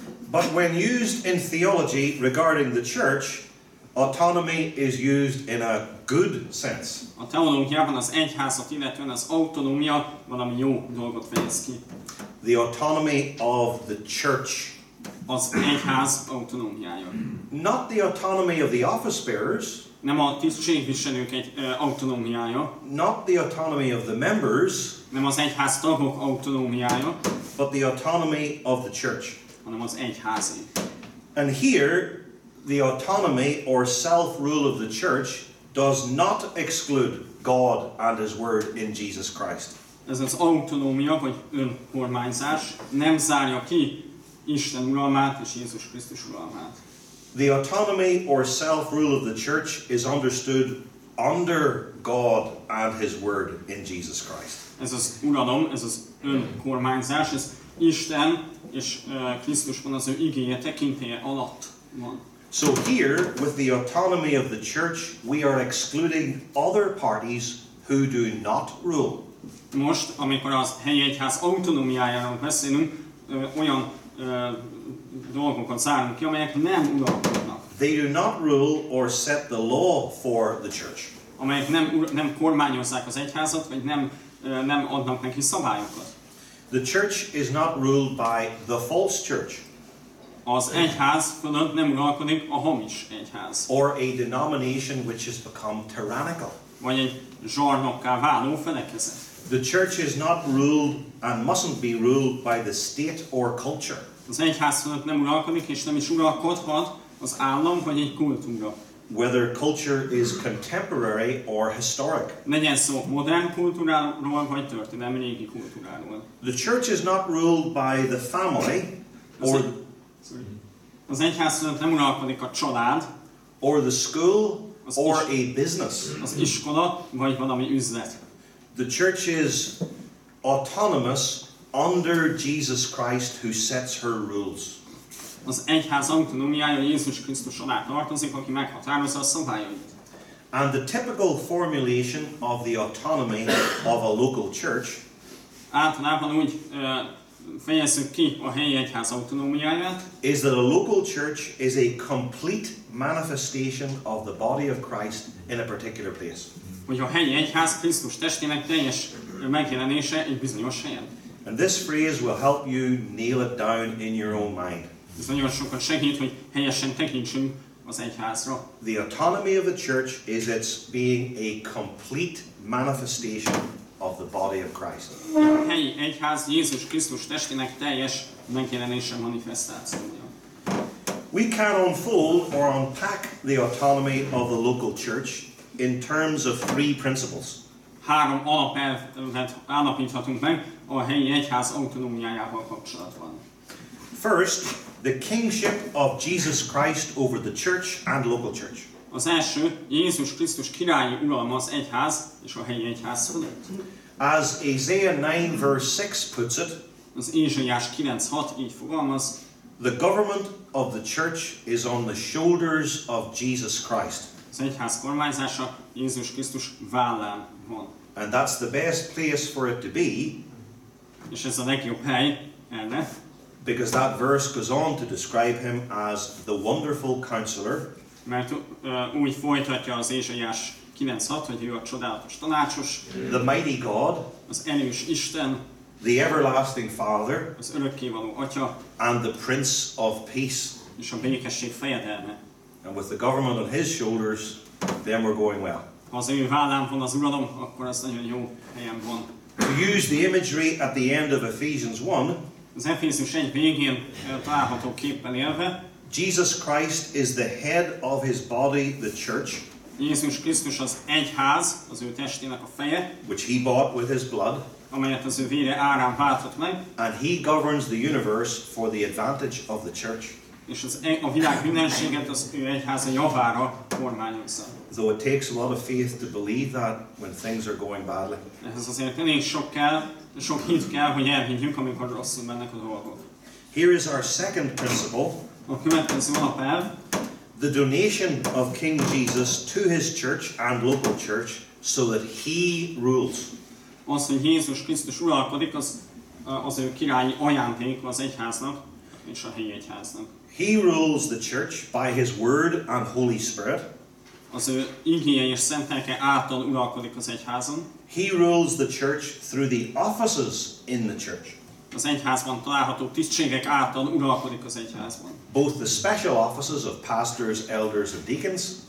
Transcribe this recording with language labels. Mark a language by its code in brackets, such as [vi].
[en] But when used in theology regarding the church, autonomy is used in a good sense. [hu] A teológiában az egyházat illetően az autonómia valami jó dolgot fejez ki. [en] The autonomy of the church. [hu] Az egyház autonómiája. [en] Not the autonomy of the office bearers. [hu] Nem a tisztségviselők autonómiája. [en] Not the autonomy of the members. [hu] Nem az egyház tagok autonómiája. [en] But the autonomy of the church. [hu] Hanem az egyházi. [en] And here, the autonomy or self-rule of the church does not exclude God and his word in Jesus Christ. [hu] Ez az autonómia, vagy önkormányzás, nem zárja ki Isten uralmát és Jézus Krisztus uralmát. [en] The autonomy or self-rule of the church is understood under God and his word in Jesus Christ. [hu] Ez az uralom, ez az önkormányzás, ez Isten és Krisztusban az ő igéje tekintélye alatt van. [en] So here, with the autonomy of the church, we are excluding other parties who do not rule. [hu] Most, amikor az helyi egyház autonómiájáról beszélünk, olyan dolgokat zárunk ki, amelyek nem uralkodnak. [en] They do not rule or set the law for the church. [hu] Amelyek nem kormányozzák az egyházat, vagy nem adnak neki szabályokat. [en] The church is not ruled by the false church. [hu] Az egyház fölött nem uralkodik a hamis egyház. [en] Or a denomination which has become tyrannical. [hu] Vagy egy zsarnokká váló felekezet. [en] The church is not ruled and mustn't be ruled by the state or culture. [hu] Az egyház fölött nem uralkodik és nem is uralkodhat az állam vagy egy kultúra. [en] Whether culture is contemporary or historic. [hu] Legyen szó modern kultúráról vagy történelmi régi kultúráról. [en] The church is not ruled by the family or [hu] az egyház fölött nem uralkodik a család [en] or the school or a business. [hu] Az iskola vagy valami üzlet. [en] The church is autonomous under Jesus Christ who sets her rules. [hu] Az egyház autonómiája Jézus Krisztus alá tartozik, aki meghatározza a szabályait. [en] And the typical formulation of the autonomy of a local church. [hu] Általában úgy fejezzük ki a helyi egyház autonómiáját. [en] Is that a local church is a complete manifestation of the body of Christ in a particular place. [hu] Hogy a helyi egyház Krisztus testének teljes megjelenése egy bizonyos helyen. [en] And this phrase will help you nail it down in your own mind. [hu] Ez nagyon sokat segít, hogy helyesen tekintsünk az egyházra. [en] The autonomy of the church is its being a complete manifestation of the body of Christ. [hu] A helyi egyház Jézus Krisztus testének teljes megjelenése, manifestációja. [en] We can unfold or unpack the autonomy of the local church in terms of three principles. [hu] Három alapelvet állapíthatunk meg a helyi egyház autonómiájával kapcsolatban. [en] First, the kingship of Jesus Christ over the church and local church. [hu] Az első, Jézus Krisztus királyi uralma az egyház és a helyi egyház fölött. [en] As Isaiah 9 verse 6 puts it, [hu] az Ézsaiás 9:6 így fogalmaz, [en] the government of the church is on the shoulders of Jesus Christ. [hu] Az egyház kormányzása Jézus Krisztus vállán van. [en] And that's the best place for it to be. [hu] És ez a legjobb hely erre. [en] Because that verse goes on to describe him as the wonderful counselor. [hu] Mert úgy folytatja az Ézsaiás 9:6, hogy ő a csodálatos tanácsos. [en] The mighty God. [hu] Az erős Isten. [en] The everlasting Father. [hu] Az örökkévaló Atya. [en] And the Prince of Peace. [hu] És a békesség fejedelme. [en] And with the government on his shoulders, then we're going well. [hu] Ha az ő vállán van az uralom, akkor az nagyon jó helyen van. [en] To use the imagery at the end of Ephesians 1, [hu] az Efézus 1 végén található képpel élve, [en] Jesus Christ is the head of his body, the church. [hu] Jézus Krisztus az egyház, az ő testének a feje, [en] which he bought with his blood, [hu] amelyet az ő vére árán váltott meg, [en] and he governs the universe for the advantage of the church. [hu] És az a világ mindenséget az ő egyháza javára kormányozza. [en] Though it takes a lot of faith to believe that when things are going badly. [hu] Ehhez azért elég sok kell, sok hit kell, hogy elhiggyünk, amikor rosszul mennek a dolgok. [en] Here is our second principle. [hu] A következő alapelv. [en] The donation of King Jesus to his church and local church so that he rules. [hu] Az, hogy Jézus Krisztus uralkodik, az ő királyi ajándék az egyháznak és a helyi egyháznak. [en] He rules the church by his word and Holy Spirit. [hu] Az ő igéje és Szent Lelke által uralkodik az egyházon. [en] He rules the church through the offices in the church. [hu] Az egyházban található tisztségek által uralkodik az egyházban. [en] Both the special offices of pastors, elders and deacons.